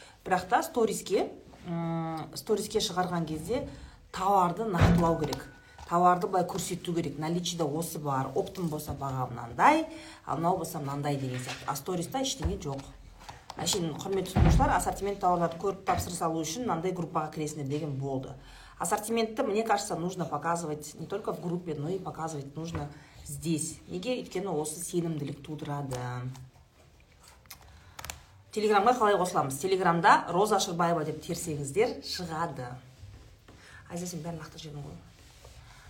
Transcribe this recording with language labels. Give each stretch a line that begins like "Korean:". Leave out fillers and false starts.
Kazakh: Бірақ та сториске шығарған кезде товарды нақтылау керек. Товарды былай көрсету керек. Наличиде осы бар, оптым болса баға мынандай, ал мынау болса мынандай деген сияқты. А сториста ештеңе жоқ. Әшейін құрметті тұтынушылар, ассортимент товарларды көріп тапсырыс алу үшін мынандай группаға кіресіңдер деген болды.
Russian: Ассортиментті, мне кажется, нужно показывать не только в группе, но и показывать нужно здесь.
Kazakh: Неге? Өйткені осы сенімділік тудырады. Телеграмға қалай қосыламыз? Телеграмда Роза Шырбаева деп терсеңіздер шығады. Айзай, сен бәрін лақтыр жедің ғой.